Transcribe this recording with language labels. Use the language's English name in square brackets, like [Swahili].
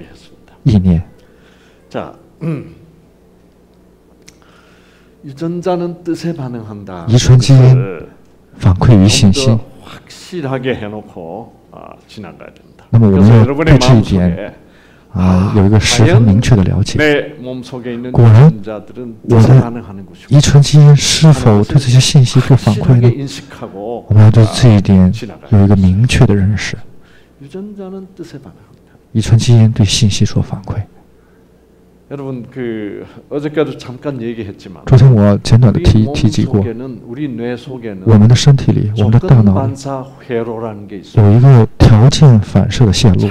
[Chinese] 那么，我们要用生命的信息来驱散死亡的意念。자, [Korean] 유전자는 뜻에 반응한다. [Chinese] 遗传基因反馈于信息. [Korean] 확실하게 해놓고 지나가야 된다. [Chinese] 那么我们要对这一点有一个十分明确的了解。 [Korean] 내 몸속에 있는 유전자들은 뜻에 반응하는 것이고 [Chinese] 遗传基因是否对这些信息做反馈呢？我们要对这一点有一个明确的认识。 [Korean] 유전자는 뜻에 반응합니다. [Chinese] 遗传基因对信息做反馈。 [Korean] 여러분 그 어제까지 잠깐 얘기했지만 [Chinese] 昨天我简短的提及过。 [Korean] 우리 뇌 속에는 [Chinese] 我们的身体里，我们的大脑里有一个条件反射的线路。